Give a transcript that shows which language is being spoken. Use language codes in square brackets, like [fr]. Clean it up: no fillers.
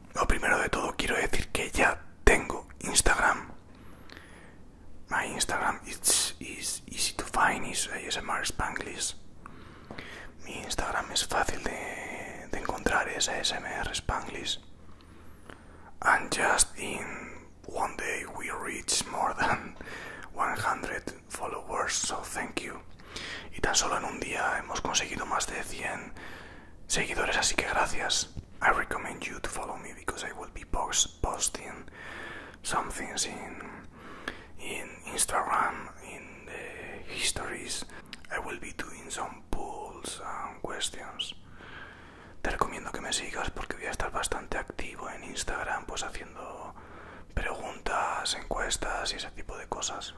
[es] Lo primero de todo quiero decir que ya tengo Instagram. [en] My Instagram is easy to find, is ASMR Spanglish. [es] Mi Instagram es fácil de encontrar, es ASMR Spanglish. [en] And just in one day we reach more than 100 followers, so thank you. [es] Y tan solo en un día hemos conseguido más de 100 seguidores, así que gracias. [en] I recommend you to follow me because I will be posting some things in Instagram, in the histories. I will be doing some polls and questions. [es] Te recomiendo que me sigas porque voy a estar bastante activo en Instagram, pues haciendo preguntas, encuestas y ese tipo de cosas.